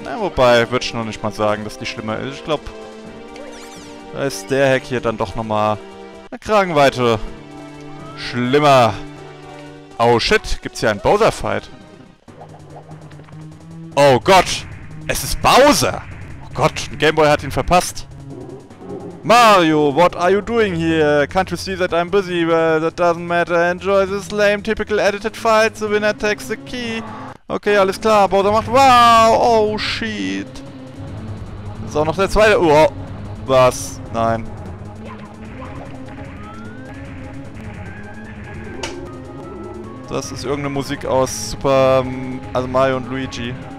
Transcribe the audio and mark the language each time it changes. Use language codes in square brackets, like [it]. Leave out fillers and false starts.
[de] Na, wobei, würde ich noch nicht mal sagen, dass die schlimmer ist. Ich glaube, da ist der Hack hier dann doch nochmal eine Kragenweite schlimmer. Oh shit, gibt's hier einen Bowser-Fight? Oh Gott, es ist Bowser! Oh Gott, ein Gameboy hat ihn verpasst. [en] Mario, what are you doing here? Can't you see that I'm busy? Well, that doesn't matter. Enjoy this lame, typical edited fight. The winner takes the key. [de] Okay, alles klar, Bowser macht... Wow, oh shit. Ist auch noch der zweite... Oh, was? Nein. Das ist irgendeine Musik aus Super... also Mario und Luigi.